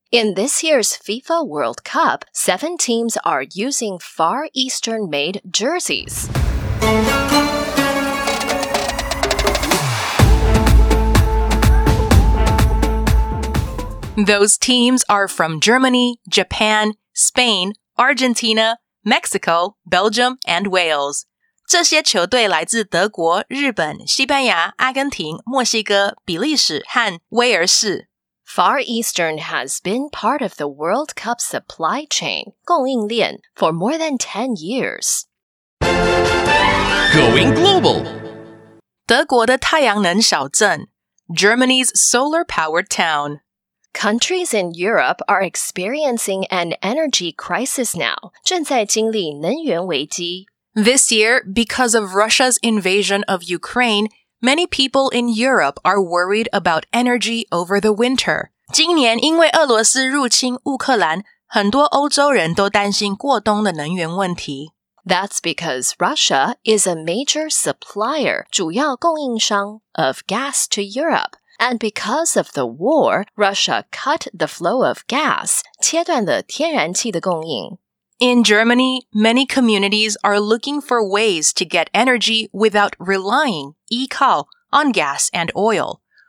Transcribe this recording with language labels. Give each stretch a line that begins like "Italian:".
English: In this year's FIFA World Cup, 7 teams are using Far Eastern-made jerseys. Those teams are from Germany, Japan, Spain, Argentina, Mexico, Belgium, and Wales.
Chinese: 这些球队来自德国、日本、西班牙、阿根廷、墨西哥、比利时和威尔士。
English: Far Eastern has been part of the World Cup supply chain,
Chinese: 供应链,
English: for more than 10 years. Going global!
Chinese: 德国的太阳能小镇,
English: Germany's solar-powered town. Countries in Europe are experiencing an energy crisis now,
Chinese: 正在经历能源危机。
English: This year, because of Russia's invasion of Ukraine, many people in Europe are worried about energy over the winter.
Chinese: 今年因为俄罗斯入侵乌克兰，很多欧洲人都担心过冬的能源问题。
English: That's because Russia is a major supplier,
Chinese: 主要供应商,
English: of gas to Europe. And because of the war, Russia cut the flow of gas,
Chinese: 切断了天然气的供应。
English: In Germany, many communities are looking for ways to get energy without relying,
Chinese: 依靠,
English: on gas and oil.